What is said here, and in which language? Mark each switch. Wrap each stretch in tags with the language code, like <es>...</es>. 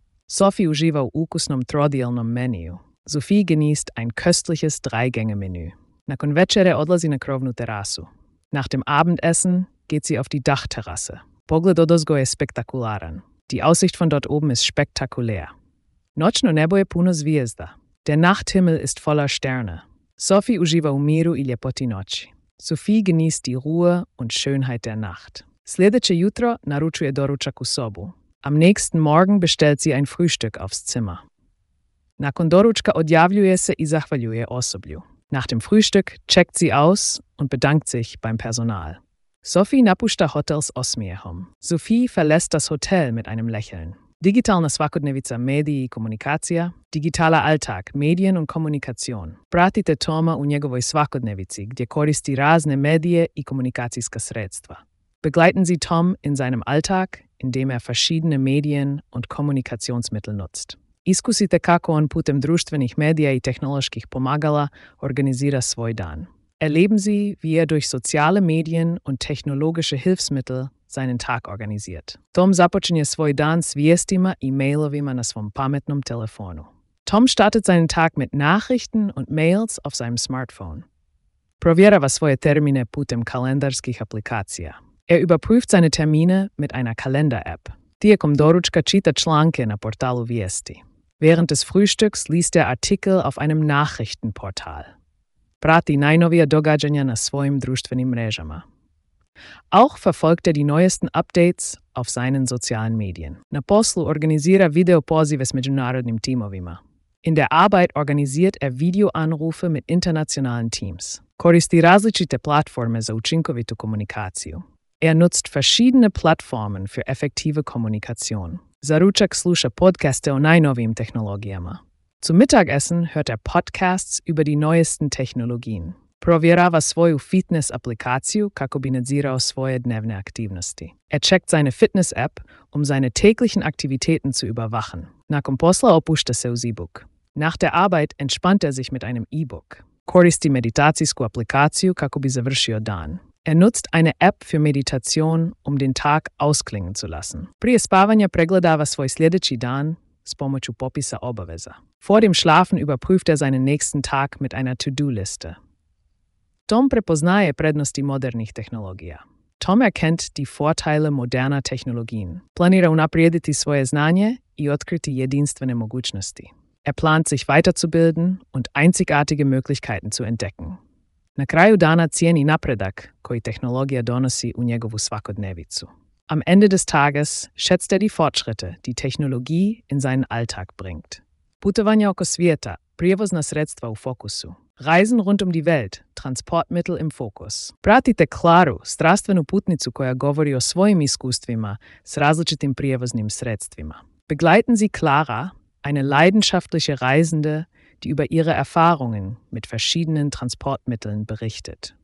<hr>Sophie uživa u ukusnom trodijelnom meniju.</hr> <de>Sophie genießt ein köstliches Dreigänge-Menü.</de> <hr>Nakon večere odlazi na krovnu terasu.</hr> <de>Nach dem Abendessen geht sie auf die Dachterrasse.</de> <hr>Pogled odozgo je spektakularan.</hr> <de>Die Aussicht von dort oben ist spektakulär.</de> <hr>Noćno nebo je puno zvijezda.</hr> <de>Der Nachthimmel ist voller Sterne.</de> <hr>Sophie uživa u miru i ljepoti noći.</hr> <de>Sophie genießt die Ruhe und Schönheit der Nacht.</de> <hr>Sljedeće jutro naručuje doručak u sobu.</hr> <de>Am nächsten Morgen bestellt sie ein Frühstück aufs Zimmer.</de> <hr>Nakon doručka odjavljuje se i zahvaljuje osoblju.</hr> <de>Nach dem Frühstück checkt sie aus und bedankt sich beim Personal.</de> <hr>Sophie napušta hotels osmiehom.</hr> <de>Sophie verlässt das Hotel mit einem Lächeln.</de> <hr>Digitalna svakodnevica mediji i komunikacija,</hr> <de>digitaler Alltag, Medien und Kommunikation.</de> <hr>Pratite Toma u njegovoj svakodnevici, gdje koristi razne medije i komunikacijska sredstva.</hr> <de>Begleiten Sie Tom in seinem Alltag, indem er verschiedene Medien und Kommunikationsmittel nutzt.</de> <hr>Iskusite kako on putem društvenih medija i tehnoloških pomagala organizira svoj dan.</hr> <de>Erleben Sie, wie er durch soziale Medien und technologische Hilfsmittel seinen Tag organisiert.</de> <hr>Tom započinje svoj dan s vijestima i mailovima na svom pametnom telefonu.</hr> <de>Tom startet seinen Tag mit Nachrichten und Mails auf seinem Smartphone.</de> <hr>Provjerava svoje termine putem kalendarskih aplikacija.</hr> <de>Er überprüft seine Termine mit einer Kalender-App.</de> <hr>Tijekom doručka čita članke na portalu vijesti.</hr> <de>Während des Frühstücks liest er Artikel auf einem Nachrichtenportal.</de> <hr>Prati najnovija događanja na svojim društvenim mrežama.</hr> <de>Auch verfolgt er die neuesten Updates auf seinen sozialen Medien.</de> <hr>Na poslu organisira videopozive s međunarodnim timovima.</hr> <de>In der Arbeit organisiert er Videoanrufe mit internationalen Teams.</de> <hr>Koristi različite platforme za učinkovitu komunikaciju.</hr> <de>Er nutzt verschiedene Plattformen für effektive Kommunikation.</de> <hr>Zaručak sluša podcaste o najnovijim tehnologijama.</hr> <de>Zum Mittagessen hört er Podcasts über die neuesten Technologien.</de> <hr>Provjerava svoju Fitness-Applikaciju kako bi nadzirao svoje dnevne aktivnosti.</hr> <de>Er checkt seine Fitness-App, um seine täglichen Aktivitäten zu überwachen.</de> <hr>Nakon posla opušta se uz e-book.</hr> <de>Nach der Arbeit entspannt er sich mit einem e-book.</de> <hr>Koristi meditacijsku aplikaciju kako bi završio dan.</hr> <de>Er nutzt eine App für Meditation, um den Tag ausklingen zu lassen.</de> <hr>Prije spavanja pregledava svoj sljedeći dan s pomoću popisa obaveza.</hr> <de>Vor dem Schlafen überprüft er seinen nächsten Tag mit einer To-Do-Liste.</de> <hr>Tom prepoznaje prednosti modernih tehnologija.</hr> <de>Tom erkennt die Vorteile moderner Technologien.</de> <hr>Planira unaprijediti svoje znanje i otkriti jedinstvene mogućnosti.</hr> <de>Er plant sich weiterzubilden und einzigartige Möglichkeiten zu entdecken.</de> <hr>Na kraju dana cijeni napredak koji tehnologija donosi u njegovu svakodnevicu.</hr> <de>Am Ende des Tages schätzt er die Fortschritte, die Technologie in seinen Alltag bringt.</de> <hr>Putovanje oko svijeta, prijevozna sredstva u fokusu.</hr> <de>Reisen rund um die Welt, Transportmittel im Fokus.</de> <hr>Pratite Klaru, strastvenu putnicu koja govori o svojim iskustvima s različitim prijevoznim sredstvima.</hr> <de>Begleiten Sie Klara, eine leidenschaftliche Reisende, die über ihre Erfahrungen mit verschiedenen Transportmitteln berichtet.</de>